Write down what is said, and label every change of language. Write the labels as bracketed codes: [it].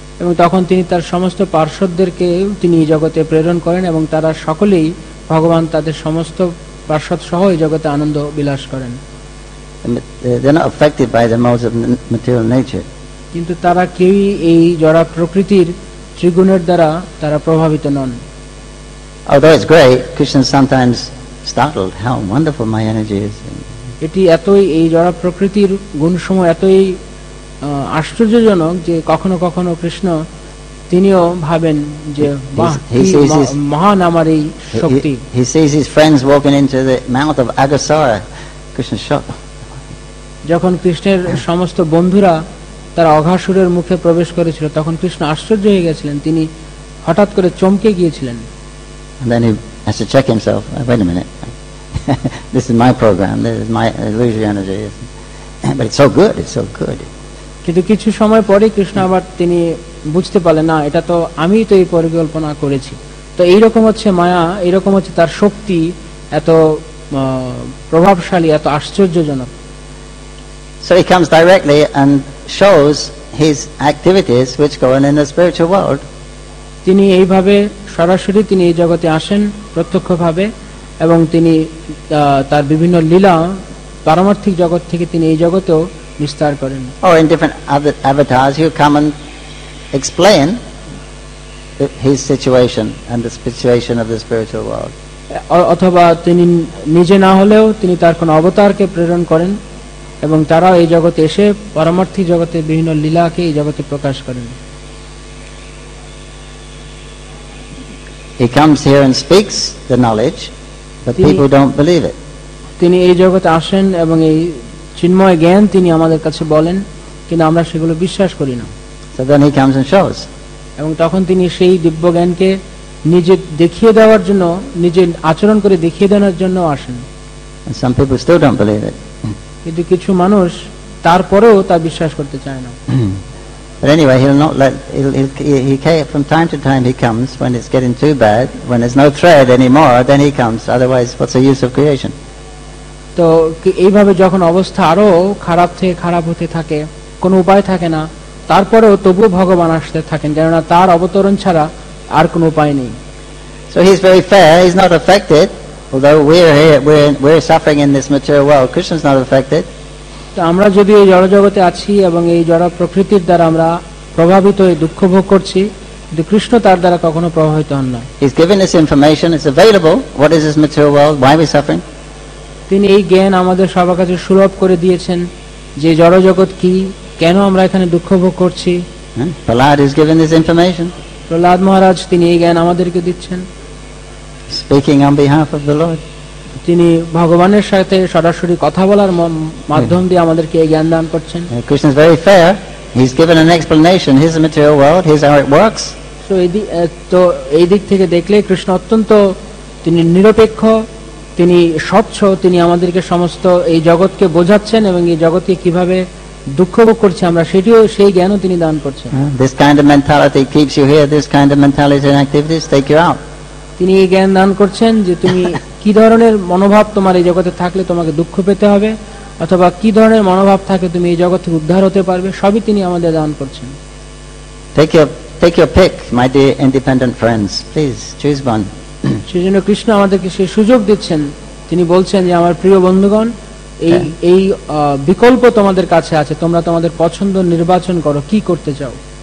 [bn] এবং তখন তিনি তার সমস্ত পার্ষদদেরকে তিনি এই জগতে প্রেরণ করেন এবং তারা সকলেই ভগবান তাদের সমস্ত পার্ষদ সহ এই জগতে আনন্দ বিলাস করেন. [en] They're not affected by the modes of material nature. [bn] কিন্তু তারা কেউই এই জড় প্রকৃতির ত্রিগুণের দ্বারা তারা প্রভাবিত নন. [en] Although it's great, Krishna sometimes startled, how wonderful my energy is. [bn] এটি এতই এই জড় প্রকৃতির গুণসমূহ এতই আশ্চর্যজনক যে কখনো কখনো কৃষ্ণ তিনিও ভাবেন যে মহান আমার এই শক্তি. [en] He sees his friends walking into the mouth of Agasara. Krishna shocked. [bn] যখন কৃষ্ণের সমস্ত বন্ধুরা তার অঘাসুরের মুখে প্রবেশ করেছিল তখন কৃষ্ণ আশ্চর্য হয়ে গেছিলেন, তিনি হঠাৎ করে চমকে গিয়েছিলেন. [en] And then he has to check himself, wait a minute, this is my program, this is my illusory energy, but it's so good. [bn] কিন্তু কিছু সময় পরে কৃষ্ণ আবার তিনি বুঝতে পারলেন, না এটা তো আমি তো এই পরিকল্পনা করেছি. তো এইরকম হচ্ছে মায়া, এইরকম হচ্ছে তার শক্তি, এত প্রভাবশালী, এত আশ্চর্যজনক. [en] So he comes directly and shows his activities which go on in the spiritual world. [bn] তিনি এইভাবে সরাসরি তিনি এই জগতে আসেন প্রত্যক্ষভাবে এবং তিনি তার বিভিন্ন লীলা পারমার্থিক জগৎ থেকে তিনি এই জগতেও বিস্তার করেন. [en] Or in different avatars he'll come and explain his situation and the situation of the spiritual world. [bn] অথবা তিনি নিজে না হলেও তিনি তার কোন অবতারকে প্রেরণ করেন এবং তারা এই জগতে এসে পরমার্থী জগতে বিভিন্ন লীলাকে এই জগতে প্রকাশ করেন. [en] He comes here and speaks the knowledge, but people don't believe it. [bn] তিনি এই জগতে আসেন এবং এই চিন্ময় জ্ঞান তিনি আমাদের কাছে বলেন, কিন্তু আমরা সেগুলো বিশ্বাস করি না। [en] So then he comes and shows. [bn] এবং তখন তিনি সেই দিব্য জ্ঞানকে নিজে দেখিয়ে দেওয়ার জন্য, নিজে আচরণ করে দেখিয়ে দেওয়ার জন্য আসেন। [en] And some people still don't believe it. [bn] কিন্তু কিছু মানুষ তারপরেও তা বিশ্বাস করতে চায় না। [en] But anyway, he'll not let. He from time to time he comes when it's getting too bad, when there's no thread anymore. Then he comes. Otherwise, what's the use of creation? [bn] তো এইভাবে যখন অবস্থা আরো খারাপ থেকে খারাপ হতে থাকে, কোনো উপায় থাকে না, তারপরেও তবুও ভগবান আসতে থাকেন, কেননা তার অবতরণ ছাড়া আর কোনো উপায় নেই। [en] So he's very fair. He's not affected. Although we're suffering in this material world, Krishna's not affected. [bn] আমরা যদি এই জড়জগতে আছি এবং এই জড় প্রকৃতির দ্বারা আমরা প্রভাবিত হয়ে দুঃখ ভোগ করছি, কিন্তু কৃষ্ণ তার দ্বারা কখনো প্রভাবিত হন না। [en] He's given us information. It's available. What is this material world? Why are we suffering? [bn] তিনি এই জ্ঞান আমাদের সবার কাছে সুলভ করে দিয়েছেন যে জড়জগৎ কি, কেন আমরা এখানে দুঃখ ভোগ করছি। [en] Prahlad is given this information. [bn] Prahlad মহারাজ তিনি এই জ্ঞান আমাদেরকে দিচ্ছেন। [en] Speaking on behalf of the Lord. [bn] তিনি ভগবানের সাথে সরাসরি কথা বলার মাধ্যম দিয়ে আমাদেরকে এই জ্ঞান দান করছেন। [en] Krishna is very fair. He's given an explanation. His material world, his how it works. [bn] So এই দিক থেকে দেখলে কৃষ্ণ অত্যন্ত তিনি নিরপেক্ষ, তিনি স্বচ্ছ, তিনি আমাদেরকে সমস্ত এই জগৎকে বোঝাচ্ছেন এবং এই জগৎকে কিভাবে দুঃখ ভোগ করছি আমরা সেটিও, সেই জ্ঞানও তিনি দান করছেন। [en] This kind of mentality keeps you here. This kind of mentality and activities take you out. [bn] তিনি এই জ্ঞান দান করছেন যে তুমি কি ধরনের মনোভাব তোমার এই জগতে থাকলে তোমাকে দুঃখ পেতে হবে, অথবা কি ধরনের মনোভাব থাকে তুমি এই জগৎ থেকে উদ্ধার হতে পারবে, সবই তিনি আমাদের দান করছেন। [en] Take your pick, my dear independent friends. Please choose one. [bn] সেজন্য কৃষ্ণ আমাদেরকে সেই সুযোগ দিচ্ছেন, তিনি বলছেন যে আমার প্রিয় বন্ধুগণ, এই এই বিকল্প তোমাদের কাছে আছে, তোমরা তোমাদের পছন্দ নির্বাচন করো, কি করতে চাও।